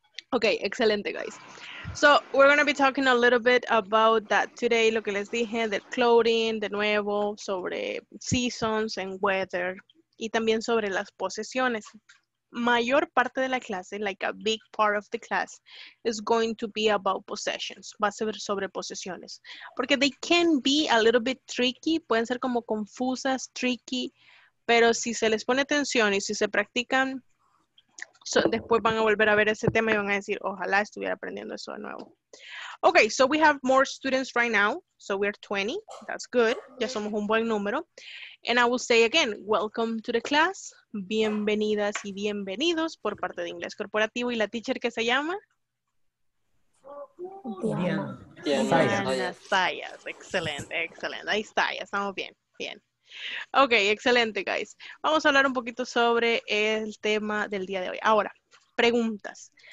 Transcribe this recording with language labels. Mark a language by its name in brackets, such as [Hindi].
[English] Okay, excelente, guys. So, we're going to be talking a little bit about that today, [Spanish] lo que les dije, [English] the clothing, [Spanish] de nuevo, sobre [English] seasons and weather, [Spanish] y también sobre las posesiones. Mayor parte de la clase, [English] like a big part of the class, is going to be about possessions. [Spanish] Va a ser sobre posesiones. Porque [English] they can be a little bit tricky, [Spanish] pueden ser como confusas, tricky, pero si se les pone atención y si se practican, so, después van a volver a ver ese tema y van a decir, ojalá estuviera aprendiendo eso de nuevo. [English] Okay, so we have more students right now. So we're 20. That's good. [Spanish] Ya somos un buen número. [English] And I will say again, welcome to the class. [Spanish] Bienvenidas y bienvenidos por parte de Inglés Corporativo. ¿Y la teacher que se llama? Diana Sayas. Excelente, excelente. Ahí está, ya estamos bien, bien. Ok, excelente, guys. Vamos a hablar un poquito sobre el tema del día de hoy. Ahora, preguntas.